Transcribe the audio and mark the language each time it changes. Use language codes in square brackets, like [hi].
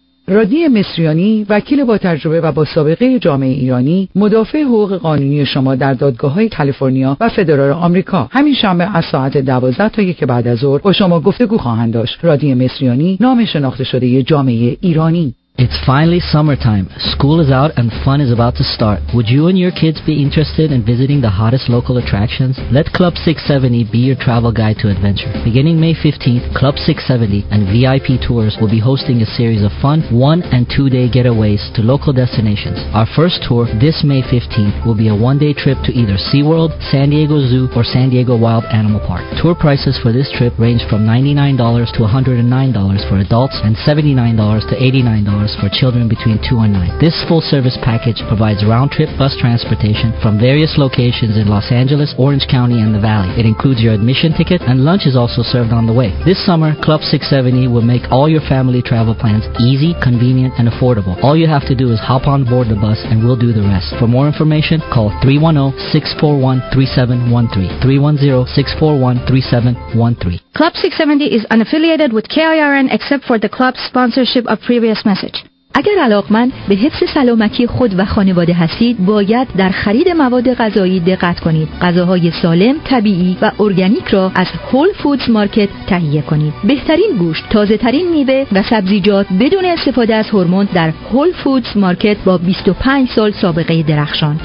[fa] رادنی مصریانی، وکیل با تجربه و با سابقه جامعه ایرانی، مدافع حقوق قانونی شما در دادگاه‌های کالیفرنیا و فدرال آمریکا. همین شنبه از ساعت 12 تا 1 بعد از ظهر با شما گفتگو خواهند داشت. رادنی مصریانی، نام شناخته شده جامعه ایرانی. [en] It's finally summertime. School is out and fun is about to start. Would you and your kids be interested in visiting the hottest local attractions? Let Club 670 be your travel guide to adventure. Beginning May 15th, Club 670 and VIP Tours will be hosting a series of fun 1- and 2-day getaways to local destinations. Our first tour, this May 15th, will be a 1-day trip to either SeaWorld, San Diego Zoo, or San Diego Wild Animal Park. Tour prices for this trip range from $99 to $109 for adults and $79 to $89. For children between 2 and 9. This full-service package provides round-trip bus transportation from various locations in Los Angeles, Orange County, and the Valley. It includes your admission ticket, and lunch is also served on the way. This summer, Club 670 will make all your family travel plans easy, convenient, and affordable. All you have to do is hop on board the bus, and we'll do the rest. For more information, call 310-641-3713. 310-641-3713. Club 670 is unaffiliated with KIRN except for the club's sponsorship of previous message. [fa] اگر علاقمند به حفظ سلامتی خود و خانواده هستید، باید در خرید مواد غذایی دقت کنید. غذاهای سالم، طبیعی و ارگانیک را از هول فودز مارکت تهیه کنید. بهترین گوشت، تازه ترین میوه و سبزیجات بدون استفاده از هورمون در هول فودز مارکت با 25 سال سابقه درخشان.